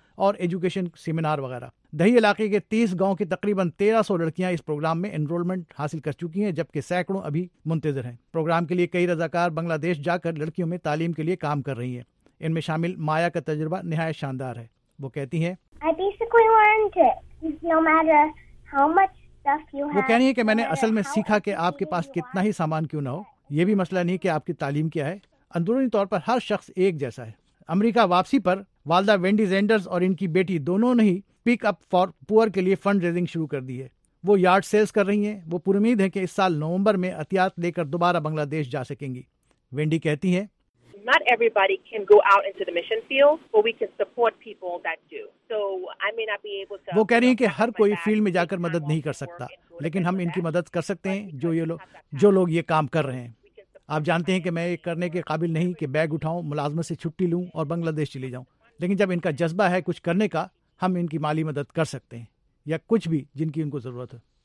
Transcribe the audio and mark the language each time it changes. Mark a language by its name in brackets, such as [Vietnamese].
[Urdu] اور education seminar وغیرہ۔ دہی علاقے کے 30 گاؤں کی تقریباً 1300 لڑکیاں اس پروگرام میں انرولمنٹ حاصل کر چکی ہیں، جبکہ سینکڑوں ابھی منتظر ہیں۔ پروگرام کے لیے کئی رضاکار بنگلہ دیش جا کر لڑکیوں میں تعلیم کے لیے کام کر رہی ہیں۔ ان میں شامل مایا کا تجربہ نہایت شاندار ہے۔ وہ کہتی ہیں، وہ کہہ رہی ہیں کہ میں نے اصل میں سیکھا کہ آپ کے پاس کتنا ہی سامان کیوں نہ ہو، یہ بھی مسئلہ نہیں کہ آپ کی تعلیم کیا ہے۔ اندرونی طور پر ہر شخص ایک جیسا ہے۔ امریکہ واپسی پر والدہ وینڈی زینڈرز اور ان کی بیٹی دونوں نے ہی پک اپ فار پور کے لیے فنڈ ریزنگ شروع کر دی ہے. وہ یارڈ سیلز کر رہی ہیں. وہ پر امید ہیں کہ اس سال نومبر میں عطیات لے کر دوبارہ بنگلہ دیش جا سکیں گی. وینڈی کہتی ہیں, [English] not everybody can go out into the mission field, but we can support people that do. So I may not be able to. [Urdu] وہ کہہ رہی ہیں کہ ہر کوئی فیلڈ میں جا کر مدد نہیں کر سکتا, لیکن ہم ان کی مدد کر سکتے ہیں جو یہ لوگ یہ کام کر رہے ہیں. آپ جانتے ہیں کہ میں یہ کرنے کے قابل نہیں کہ بیگ اٹھاؤں, ملازمت سے چھٹی لوں اور بنگلہ دیش چلی جاؤں, لیکن جب ان کا جذبہ ہے کچھ کرنے کا, ہم ان کی مالی مدد کر سکتے ہیں یا کچھ بھی جن کی ان کو ضرورت ہو.